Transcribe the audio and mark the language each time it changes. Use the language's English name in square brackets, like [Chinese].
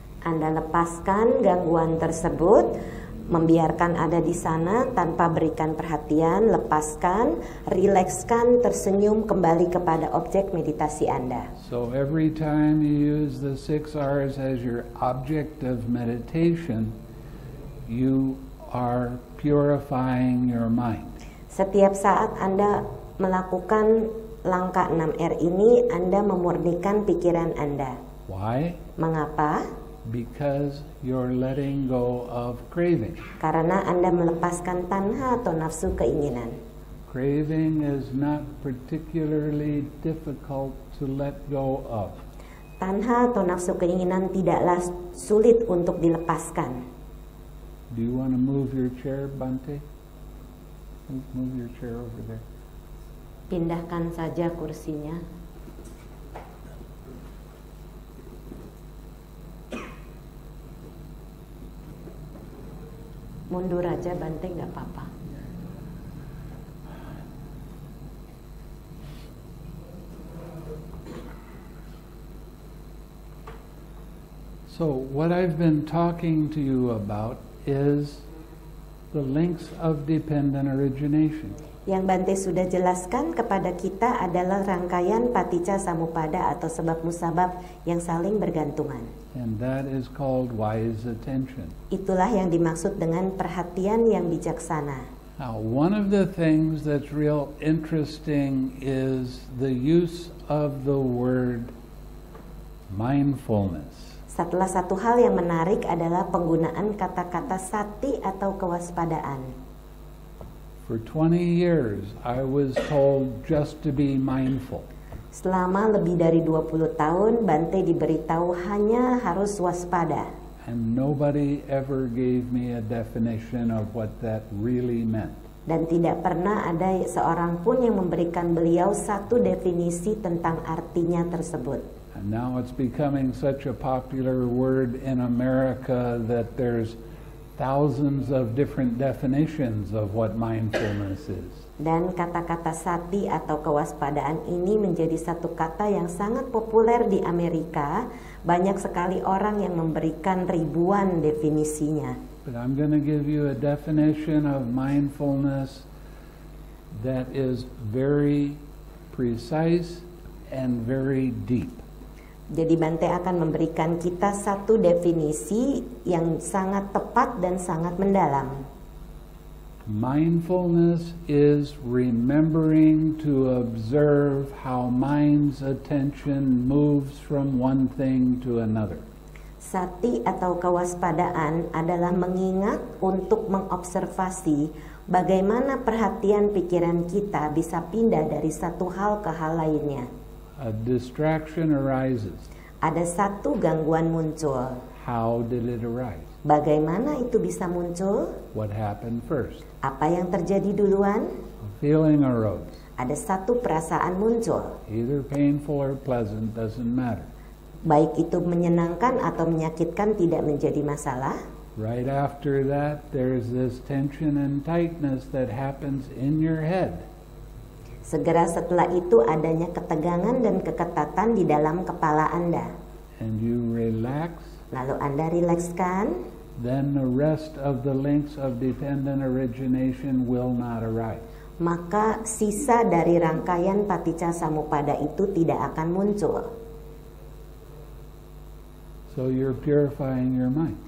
[Indonesian] Anda lepaskan gangguan tersebut, membiarkan ada di sana tanpa berikan perhatian, lepaskan, rilekskan, tersenyum kembali kepada objek meditasi Anda. [English] So every time you use the six R's as your object of meditation, you are purifying your mind. [Indonesian] Setiap saat Anda melakukan langkah 6R ini, Anda memurnikan pikiran Anda. [English] Why? [Indonesian] Mengapa? [English] Because you're letting go of craving. [Indonesian] Karena Anda melepaskan tanha atau nafsu keinginan. [English] Craving is not particularly difficult to let go of. [Indonesian] Tanha atau nafsu keinginan tidaklah sulit untuk dilepaskan. [English] Do you want to move your chair, Bante? Move your chair over there. [Indonesian] Pindahkan saja kursinya. Mundur aja banteng, gak apa-apa. [English] So, what I've been talking to you about is the links of dependent origination. [Indonesian] Yang Bante sudah jelaskan kepada kita adalah rangkaian paticca samuppada atau sebab musabab yang saling bergantungan. [English] And that is called wise attention. [Indonesian] Itulah yang dimaksud dengan perhatian yang bijaksana. [English] Now, one of the things that's real interesting is the use of the word mindfulness. [Indonesian] Setelah satu hal yang menarik adalah penggunaan kata-kata sati atau kewaspadaan. [English] For 20 years, I was told just to be mindful. [Indonesian] Selama lebih dari 20 tahun, Bante diberitahu hanya harus waspada. [English] And nobody ever gave me a definition of what that really meant. [Indonesian] Dan tidak pernah ada seorang pun yang memberikan beliau satu definisi tentang artinya tersebut. [English] And now it's becoming such a popular word in America that there's thousands of different definitions of what mindfulness is. [Indonesian] Dan kata-kata sati atau kewaspadaan ini menjadi satu kata yang sangat populer di Amerika. Banyak sekali orang yang memberikan ribuan definisinya. [English] But I'm going to give you a definition of mindfulness that is very precise and very deep. [Indonesian] Jadi Bante akan memberikan kita satu definisi yang sangat tepat dan sangat mendalam. [English] Mindfulness is remembering to observe how mind's attention moves from one thing to another. [Indonesian] Sati atau kewaspadaan adalah mengingat untuk mengobservasi bagaimana perhatian pikiran kita bisa pindah dari satu hal ke hal lainnya. [English] A distraction arises. [Indonesian] Ada satu gangguan muncul. [English] How did it arise? [Indonesian] Bagaimana itu bisa muncul? [English] What happened first? [Indonesian] Apa yang terjadi duluan? [English] A feeling arose. [Indonesian] Ada satu perasaan muncul. [English] Either painful or pleasant doesn't matter. [Indonesian] Baik itu menyenangkan atau menyakitkan tidak menjadi masalah. [English] Right after that, there is this tension and tightness that happens in your head. [Indonesian] Segera setelah itu adanya ketegangan dan keketatan di dalam kepala Anda. [English] And you relax. [Indonesian] Lalu Anda rilekskan. [English] Then the rest of the links of dependent origination will not arise. [Indonesian] Maka sisa dari rangkaian paticca samuppada itu tidak akan muncul. [English] So you're purifying your mind.